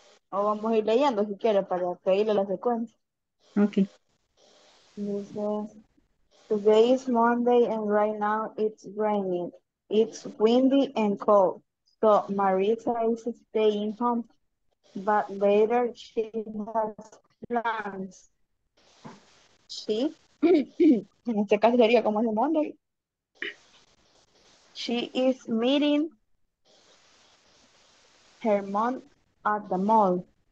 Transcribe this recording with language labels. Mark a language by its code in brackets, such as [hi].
[es] O vamos a ir leyendo si quieres para seguirle la secuencia. [en] Okay. Dice, today is Monday and right now it's raining. It's windy and cold. So Marisa is staying home. But later she has plans. She? [es] En este caso sería como es el Monday. [en] She is meeting her mom at the mall.